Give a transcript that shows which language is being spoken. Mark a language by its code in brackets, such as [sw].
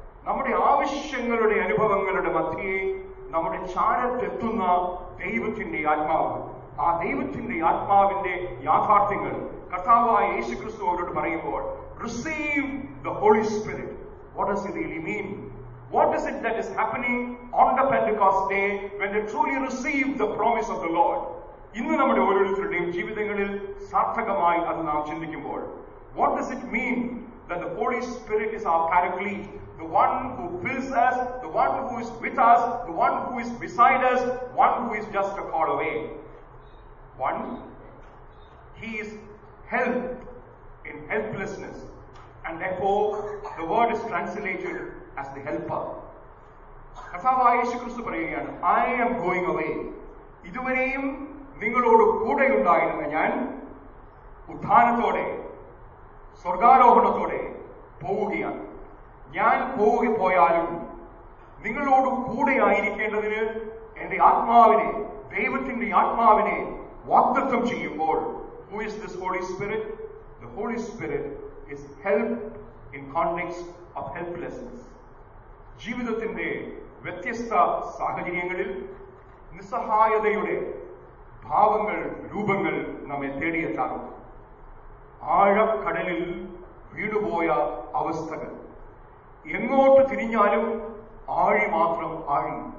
[ml] നമ്മുടെ ആവശ്യങ്ങളുടെ അനുഭവങ്ങളുടെ മധ്യയെ നമ്മുടെ ചാരത്തെത്തുന്ന ദൈവത്തിന്റെ ആത്മാവ്. ആ ദൈവത്തിന്റെ ആത്മാവിന്റെ യാഥാർത്ഥ്യങ്ങൾ കർത്താവായ യേശു ക്രിസ്തു അവരോട് പറയുമ്പോൾ, [en] Receive the holy spirit. What does it really mean? What is it that is happening on the Pentecost day when they truly receive the promise of the Lord? [ml] ഇന്നു നമ്മുടെ ഓരോരുത്തരുടെയും ജീവിതങ്ങളിൽ സാർത്ഥകമായി അത് നാം ചിന്തിക്കുമ്പോൾ, [en] what does it mean that the Holy Spirit is our paraclete, the one who fills us, the one who is with us, the one who is beside us, one who is just a call away? One, he is help in helplessness, and therefore the word is translated as the helper. [ml] കർത്താവായ യേശുക്രിസ്തു പറയുകയാണ്, [en] I am going away. [ml] ഇതുവരെയും നിങ്ങളോട് കൂടെ ഉണ്ടായിരുന്ന ഞാൻ ഉദ്ധാനത്തോടെ സ്വർഗാരോഹണത്തോടെ പോവുകയാണ്. ഞാൻ പോവുക പോയാലും നിങ്ങളോട് കൂടെ ആയിരിക്കേണ്ടതിന് എന്റെ ആത്മാവിനെ, ദൈവത്തിന്റെ ആത്മാവിനെ വാഗ്ദത്തം ചെയ്യുമ്പോൾ, [en] who is this Holy Spirit? The Holy Spirit is help in context of helplessness. [ml] ജീവിതത്തിന്റെ വ്യത്യസ്ത സാഹചര്യങ്ങളിൽ നിസ്സഹായതയുടെ ഭാവങ്ങൾ, രൂപങ്ങൾ നമ്മെ തേടിയെത്താറുണ്ട്. ആഴക്കടലിൽ വീണുപോയ അവസ്ഥകൾ, എങ്ങോട്ട് തിരിഞ്ഞാലും ആഴി മാത്രം ആഴി.